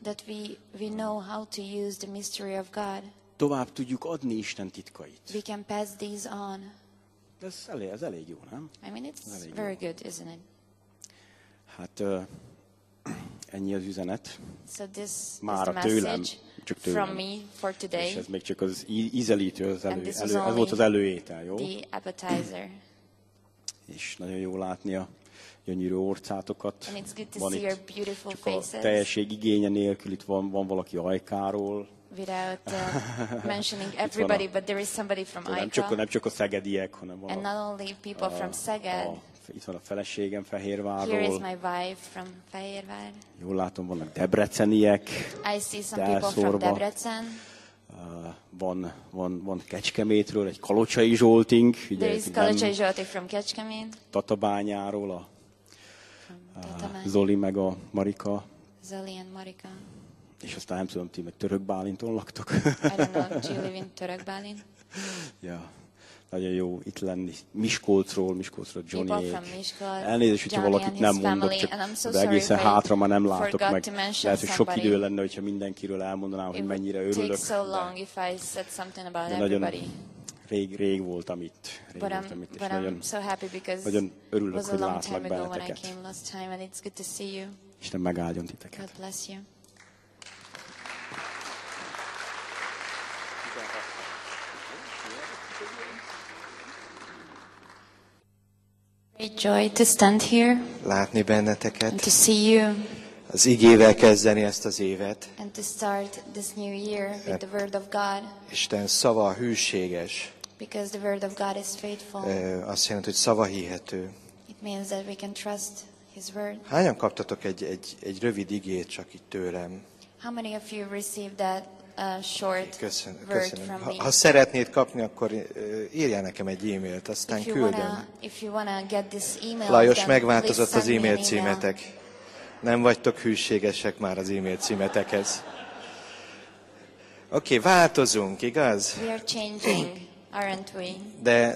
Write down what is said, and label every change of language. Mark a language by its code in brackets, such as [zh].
[en] That we know how to use the mystery of God. [hu] Tovább tudjuk adni Isten titkait. [en] We can pass these on. [hu] Ez elég jó, nem? [en] I mean, it's very good, isn't it? [hu] Hát ennyi az üzenet. [en] So this [hu] mára [en] is the message. [hu] Tőlem. [en] From me for today. [hu] És ez még csak az ízelítő, ez volt az előétel, jó? [en] The appetizer. [hu] És nagyon jó látni a gyönyörű orcátokat. [en] And it's good to see your beautiful faces. [hu] A teljesség igénye nélkül itt van valaki Ajkáról. [en] Without mentioning everybody, but there is somebody from Ajka. [hu] Nem csak a szegediek, hanem [en] and not only people from Szeged. [hu] Itt van a feleségem Fehérvárról. [en] Here is my wife from Fehérvár. [hu] Jól látom, vannak debreceniek. [en] I see some people from Debrecen. [hu] van Kecskemétről, egy Kalocsai Zsolting. [en] Ugye, there is Kalocsai Zsolti from Kecskemét. [hu] Tatabányáról Zoli meg a Marika. [en] Zoli and Marika. [hu] És aztán nem tudom, ti meg Török Bálinton laktok. [en] I don't know, do you live in Török Bálin? [hu] Ja, nagyon jó itt lenni. Miskolcról Johnny. [en] People from Miskolc. [hu] Elnézést, hogyha valakit nem mondok, csak de egészen hátra már nem látok meg. Lehet, hogy sok idő lenne, hogyha mindenkiről elmondanám, hogy mennyire örülök. [en] It would take so long if I said something about everybody. [hu] Nagyon rég voltam itt. [en] But I'm so happy because [hu] nagyon örülök, hogy látlak benneteket. [en] When I came last time and it's good to see you. [hu] Isten megáldjon titeket. [en] God bless you. Great joy to stand here. [hu] Látni benneteket. [en] And to see you. [hu] Az igével kezdeni ezt az évet. [en] And to start this new year with the word of God. [hu] Isten szava hűséges. [en] Because the word of God is faithful. [hu] Azt jelenti, hogy szava hihető. [en] It means that we can trust His word. [hu] Hányan kaptatok egy rövid igét csak itt tőlem? [en] How many of you received that short word from me? [hu] Ha szeretnéd kapni, akkor írjál nekem egy e-mailt, aztán küldöm. [en] If you wanna get this email, [hu] Lajos, megváltozott az e-mail címetek. Nem vagytok hűségesek már az e-mail címetekhez. Oké, változunk, igaz? [en] We are changing, aren't we?